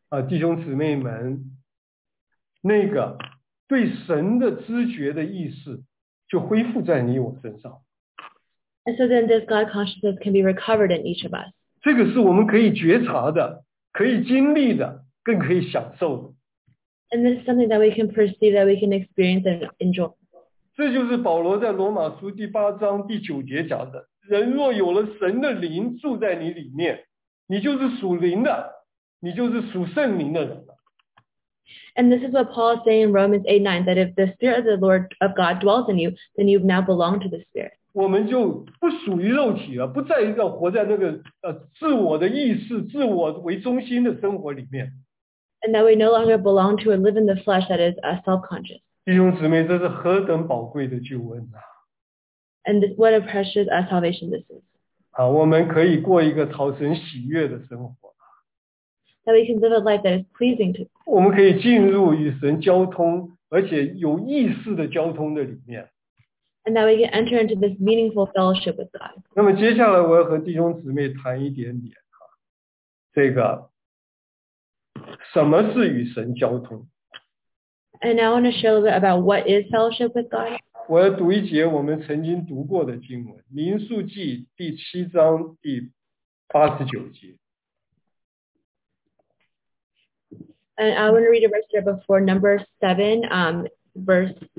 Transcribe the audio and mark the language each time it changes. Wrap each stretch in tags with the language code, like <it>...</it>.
<zh>弟兄姊妹们，那个对神的知觉的意识就恢复在你我身上。</zh> <en>And so then this God consciousness can be recovered in each of us.</en> <zh>这个是我们可以觉察的，可以经历的，更可以享受的。</zh> <en>And this is something that we can perceive, that we can experience and enjoy.</en> <zh>这就是保罗在罗马书第八章第九节讲的，人若有了神的灵住在你里面，你就是属灵的，你就是属圣灵的人。</zh> <en>And this is what Paul is saying in Romans 8:9, that if the Spirit of the Lord of God dwells in you, then you now belong to the Spirit.</en> <zh>我们就不属于肉体了，不再要活在那个自我的意识、自我为中心的生活里面。</zh> <en>And that we no longer belong to and live in the flesh that is self-conscious.</en> <zh>弟兄姊妹，这是何等宝贵的救恩啊！</zh> <en>And this, what a precious salvation this is.</en> <zh>我们可以过一个讨神喜悦的生活。</zh> <en>That we can live a life that is pleasing to.</en> <zh>我们可以进入与神交通，而且有意识的交通的里面。</zh> <en>And that we can enter into this meaningful fellowship with God.</en> <zh>那么接下来我要和弟兄姊妹谈一点点这个什么是与神交通。</zh> <en>And now I want to share a little bit about what is fellowship with God.</en> <zh>我要读一节我们曾经读过的经文，《民数记》第七章第八十九节。</zh> <en>And I want to read a verse here before number 7, verse</en>